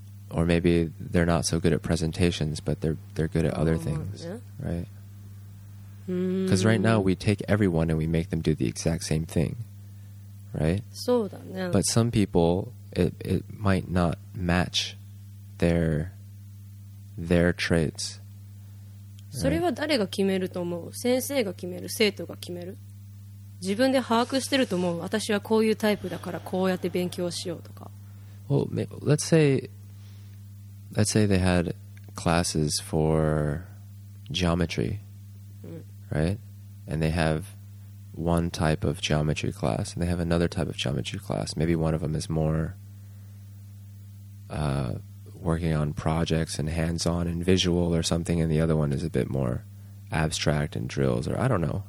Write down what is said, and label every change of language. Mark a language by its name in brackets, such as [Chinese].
[English] Or maybe they're not so good at presentations, but they're good at other things, yeah. Right? Because right now we take everyone and we make them do the exact same thing, right? [Japanese] そうだね。 [English] But some people, it might not match their traits. [Japanese] それは誰が決めると思う？先生が決める？生徒が決める？自分で把握してると思う？私はこういうタイプだからこうやって勉強しようとか。 [English] Well, let's say they had classes for geometry. Right? And they have one type of geometry class and they have another type of geometry class. Maybe one of them is more working on projects and hands-on and visual or something, and the other one is a bit more abstract and drills, or I don't know.